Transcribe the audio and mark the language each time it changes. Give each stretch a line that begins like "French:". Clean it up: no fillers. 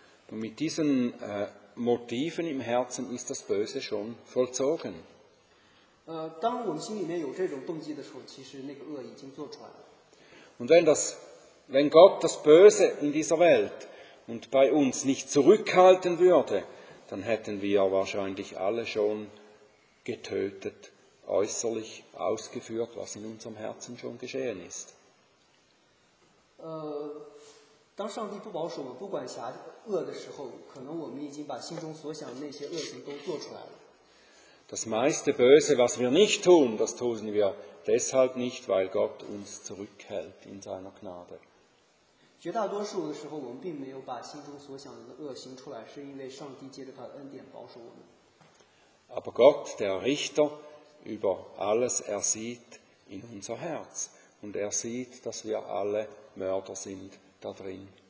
German: Und mit diesen Motiven im Herzen ist das Böse schon vollzogen.
Chinese: 当我们心里面有这种动机的时候，其实那个恶已经做出来了。
German: Und wenn Gott das Böse in dieser Welt und bei uns nicht zurückhalten würde, dann hätten wir wahrscheinlich alle schon getötet, äußerlich ausgeführt, was in unserem Herzen schon geschehen ist.
Chinese: 当上帝不保守我们，不管辖恶的时候，可能我们已经把心中所想的那些恶行都做出来了。
German: Das meiste Böse, was wir nicht tun, das tun wir deshalb nicht, weil Gott uns zurückhält in seiner Gnade.
Chinese: 绝大多数的时候，我们并没有把心中所想的恶行出来，是因为上帝借着他的恩典保守我们。
German: Aber Gott, der Richter über alles, er sieht in unser Herz Und er sieht, dass wir alle Mörder sind da drin.